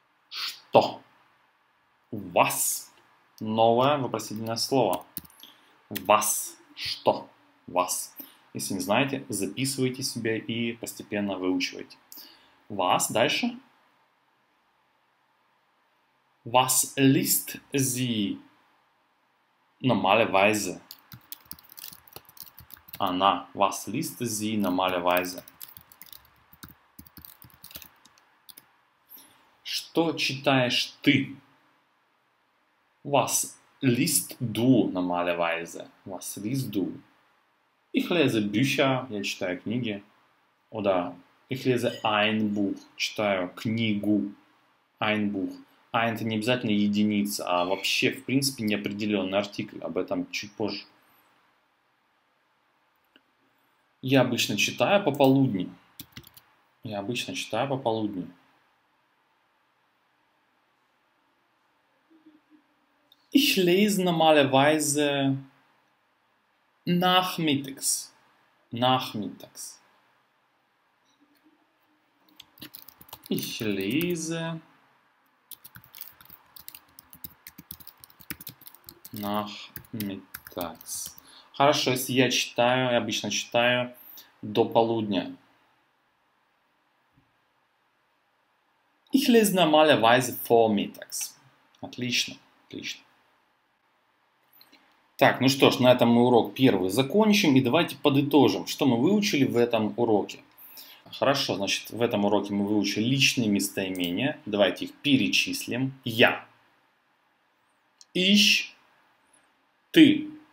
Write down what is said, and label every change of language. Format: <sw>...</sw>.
<ru>Что? Was? Новое вопросительное слово.</ru> <de>Was?</de> <ru>Что?</ru> <de>Was?</de> <ru>Если не знаете, записывайте себе и постепенно выучивайте. Was? Дальше.</ru> <de>Was liest sie normalerweise?</de> <ru>Она.</ru> <de>Was liest sie normalerweise?</de> <ru>Что читаешь ты?</ru> <de>Was liest du normalerweise? Was liest du? Ich lese Bücher.</de> <ru>Я читаю книги.</ru> <de>Oder ich lese ein Buch.</de> <ru>Читаю книгу.</ru> <de>Ein Buch.</de> <ru>А это не обязательно единица, а вообще, в принципе, неопределенный артикль. Об этом чуть позже. Я обычно читаю пополудни. Я обычно читаю пополудни.</ru> <de>Ich lese normalerweise nachmittags. Nachmittags. Ich lese nachmittags.</de> <ru>Хорошо, если я читаю, я обычно читаю до полудня.</ru> <de>Ich lese normalerweise vormittags.</de> <ru>Отлично, отлично. Так, ну что ж, на этом мы урок первый закончим и давайте подытожим, что мы выучили в этом уроке. Хорошо, значит, в этом уроке мы выучили личные местоимения. Давайте их перечислим. Я. Ich. Ты.</ru>